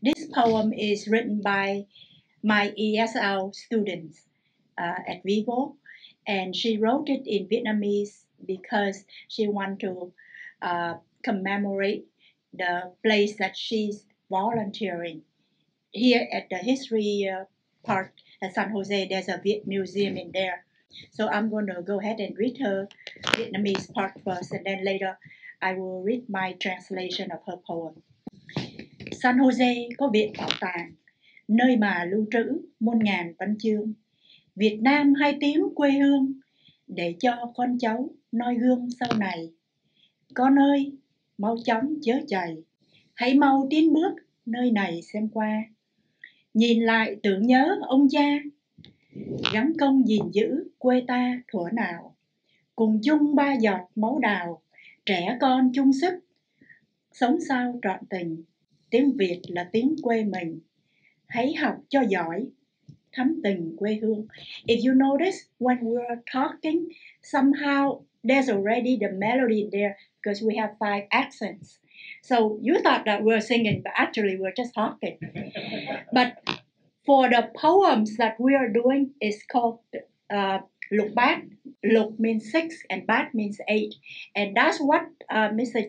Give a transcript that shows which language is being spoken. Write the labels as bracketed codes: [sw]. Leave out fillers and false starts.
[en] This poem is written by my ESL student at Vivo, and she wrote it in Vietnamese because she want to commemorate the place that she's volunteering. Here at the History Park at San Jose, there's a Viet museum in there. So I'm going to go ahead and read her Vietnamese part first, and then later I will read my translation of her poem. [vi] San Jose có viện bảo tàng, nơi mà lưu trữ muôn ngàn văn chương. Việt Nam hai tiếng quê hương, để cho con cháu noi gương sau này. Con ơi, mau chóng chớ chạy, hãy mau tiến bước nơi này xem qua. Nhìn lại tưởng nhớ ông cha, gắn công gìn giữ quê ta thuở nào. Cùng chung ba giọt máu đào, trẻ con chung sức, sống sao trọn tình. Tiếng Việt là tiếng quê mình, hãy học cho giỏi, thấm tình quê hương. [en] If you notice, when we're talking, somehow There's already the melody there because we have five accents. So you thought that we're singing, but actually we're just talking. But for the poems that we are doing, it's called Lục Bát. Lục means six and Bát means eight. And that's what Mr.